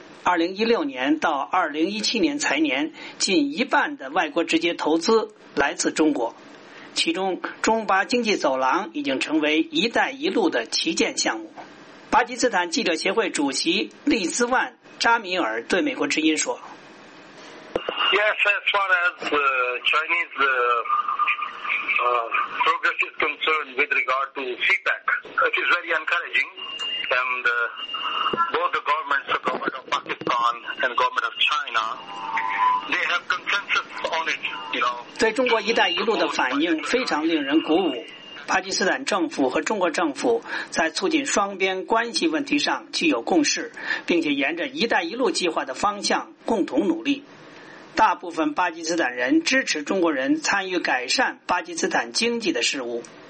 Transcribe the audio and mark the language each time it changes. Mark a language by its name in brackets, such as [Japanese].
[Chinese] 2016年到2017年财年，近一半的外国直接投资来自中国，其中中巴经济走廊已经成为一带一路的旗舰项目。巴基斯坦记者协会主席利兹万扎米尔对美国之音说， [English] Yes, as far as Chinese progress is concerned with regard to CPEC, it is very encouraging and both the governments, the government of Pakistan and government of China, they have consensus on it, you know. [Chinese] 对中国一带一路的反应非常令人鼓舞，巴基斯坦政府和中国政府在促进双边关系问题上具有共识，并且沿着一带一路计划的方向共同努力。大部分巴基斯坦人支持中国人参与改善巴基斯坦经济的事务。